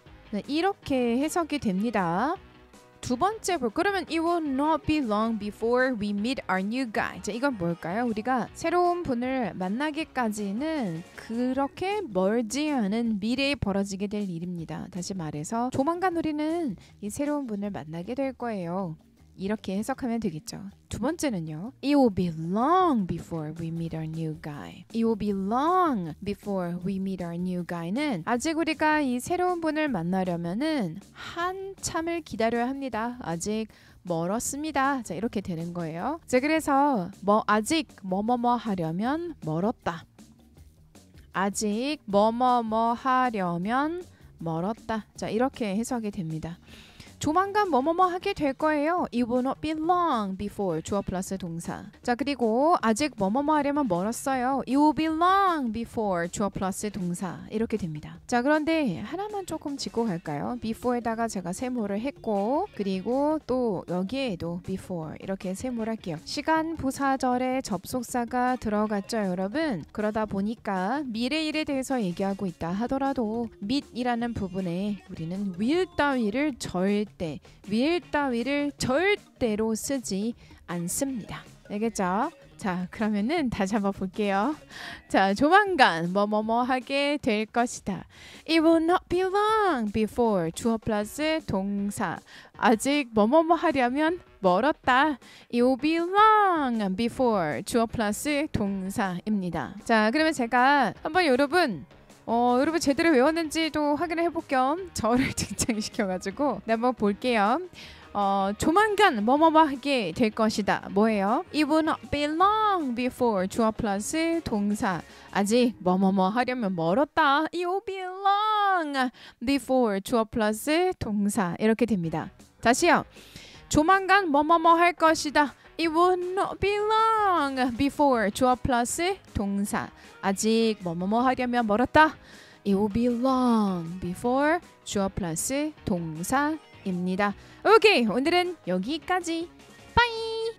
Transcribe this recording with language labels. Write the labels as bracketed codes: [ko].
[ko] 네, 이렇게 해석이 됩니다. 두 번째 볼 그러면 [en] It will not be long before we meet our new guy. [ko] 자, 이건 뭘까요? 우리가 새로운 분을 만나기까지는 그렇게 멀지 않은 미래에 벌어지게 될 일입니다. 다시 말해서 조만간 우리는 이 새로운 분을 만나게 될 거예요. 이렇게 해석하면 되겠죠. 두 번째는요. [en] It will be long before we meet our new guy. It will be long before we meet our new guy [ko] 는 아직 우리가 이 새로운 분을 만나려면은 한참을 기다려야 합니다. 아직 멀었습니다. 자, 이렇게 되는 거예요. 자, 그래서 뭐 아직 뭐뭐뭐 하려면 멀었다. 아직 뭐뭐뭐 하려면 멀었다. 자, 이렇게 해석이 됩니다. 조만간 뭐뭐뭐 하게 될 거예요. [en] It will not be long before [ko] 주어 플러스 동사. 자, 그리고 아직 뭐뭐뭐 하려면 멀었어요. [en] It will be long before [ko] 주어 플러스 동사. 이렇게 됩니다. 자, 그런데 하나만 조금 짚고 갈까요? before에다가 제가 세모를 했고 그리고 또 여기에도 before 이렇게 세모를 할게요. 시간 부사절에 접속사가 들어갔죠, 여러분? 그러다 보니까 미래 일에 대해서 얘기하고 있다 하더라도 meet이라는 부분에 우리는 will 따위를 절 때 will 따위를 절대로 쓰지 않습니다. 알겠죠? 자, 그러면은 다시 한번 볼게요. 자, 조만간 뭐뭐뭐 하게 될 것이다. [en] It will not be long before [ko] 주어 플러스 동사. 아직 뭐뭐뭐 하려면 멀었다. [en] It will be long before [ko] 주어 플러스 동사입니다. 자, 그러면 제가 한번 여러분 제대로 외웠는지도 확인을 해볼 겸 저를 등장시켜가지고 한번 볼게요. 조만간 뭐뭐뭐 하게 될 것이다. 뭐예요? [en] It will not be long before [ko] 주어 플러스 동사. 아직 뭐뭐뭐 하려면 멀었다. [en] It will be long before [ko] 주어 플러스 동사. 이렇게 됩니다. 다시요. 조만간 뭐뭐뭐 할 것이다. [en] It will not be long before [ko] 주어 플러스 동사. 아직 뭐뭐뭐 하려면 멀었다. [en] It will be long before [ko] 주어 플러스 동사입니다. 오케이, 오늘은 여기까지. 빠이!